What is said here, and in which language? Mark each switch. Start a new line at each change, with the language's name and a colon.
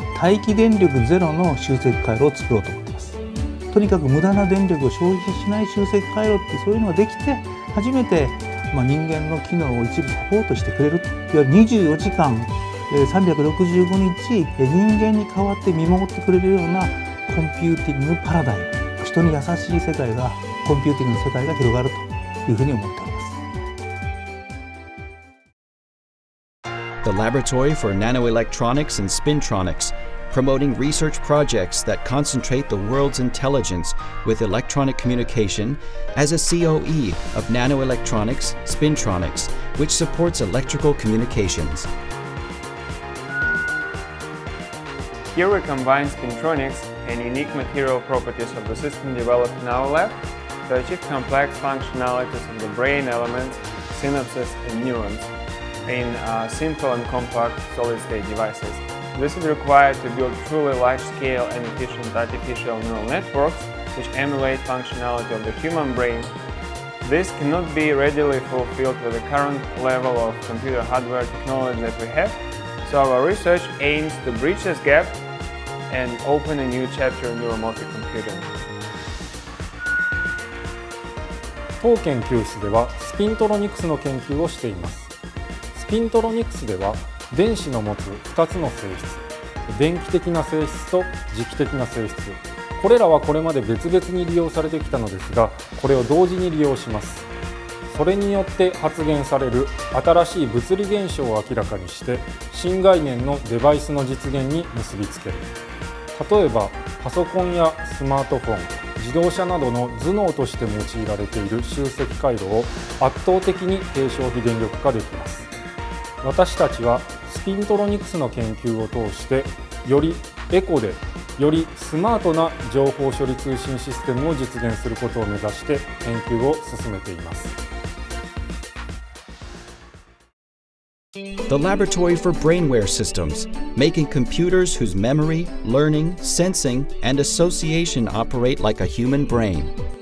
Japanese: 待機電力ゼロの集積回路を作ろうと思っています。とにかく無駄な電力を消費しない集積回路って、そういうのができて初めて、まあ、人間の機能を一部サポートしてくれる。いわゆる24時間365日人間に代わって見守ってくれるようなコンピューティングパラダイム、人に優しい世界が、コンピューティングの世界が広がるというふうに思っております。
English: The Laboratory for Nanoelectronics and Spintronics, promoting research projects that concentrate the world's intelligence with electronic communication as a COE of Nanoelectronics Spintronics, which supports electrical communications. Here we combine spintronics and unique material properties of the system developed in our lab to achieve complex functionalities of the brain elements, synapses and neurons in simple and compact solid-state devices. This is required to build truly large-scale and efficient artificial neural networks which emulate functionality of the human brain. This cannot be readily fulfilled with the current level of computer hardware technology that we have. So our research aims to bridge this gap and open a new chapter in neuromorphic computing.
Japanese: 当研究室ではスピントロニクスの研究をしています。スピントロニクスでは電子の持つ2つの性質、電気的な性質と磁気的な性質、これらはこれまで別々に利用されてきたのですが、これを同時に利用します。それによって発現される新しい物理現象を明らかにして、新概念のデバイスの実現に結びつける。例えば、パソコンやスマートフォン、自動車などの頭脳として用いられている集積回路を圧倒的に低消費電力化できます。私たちはスピントロニクスの研究を通して、よりエコで、よりスマートな情報処理通信システムを実現することを目指して研究を進めています。
English: The Laboratory for Brainware Systems, making computers whose memory, learning, sensing, and association operate like a human brain.